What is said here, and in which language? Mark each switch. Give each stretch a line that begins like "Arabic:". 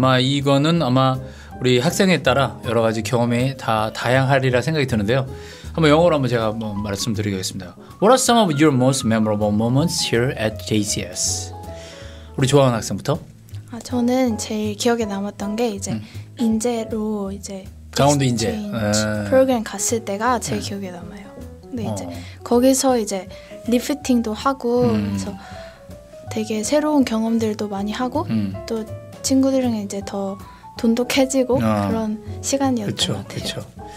Korean: 아마 이거는 아마 우리 학생에 따라 여러 가지 경험이 다 다양하리라 생각이 드는데요. 한번 영어로 한번 제가 한번 말씀드리겠습니다.
English: What are some of your most memorable moments here at JCS?
Korean: 우리 좋아하는 학생부터. 아 저는 제일 기억에 남았던 게 이제 인재로 이제 강원도 인재 프로그램 갔을 때가 제일 기억에 남아요. 근데 이제 거기서 이제 리프팅도 하고 그래서 되게 새로운 경험들도 많이 하고 또 친구들은 이제 더 돈독해지고 그런 시간이었던 것 같아요.